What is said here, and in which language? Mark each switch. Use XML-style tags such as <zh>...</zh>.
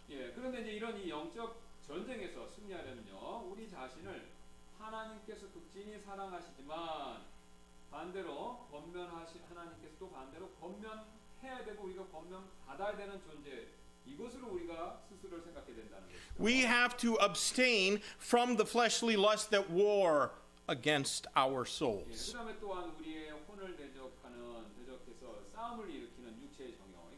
<ko>예, 그런데 이제 이런 이 영적 전쟁에서 승리하려면요, 우리 자신을 하나님께서 극진히 사랑하시지만 반대로 권면하시 하나님께서도 반대로 권면해야 되고 우리가 권면 받아야 되는 존재 이것으로 우리가 스스로를 생각해야 된다는 것이죠.</ko> <en>We have to abstain from the fleshly lust that war against our souls.</en> <ko>예, 그다음에 또한 우리의 혼을 대적하는 대적해서 싸움을 일으키는 육체의 정</ko>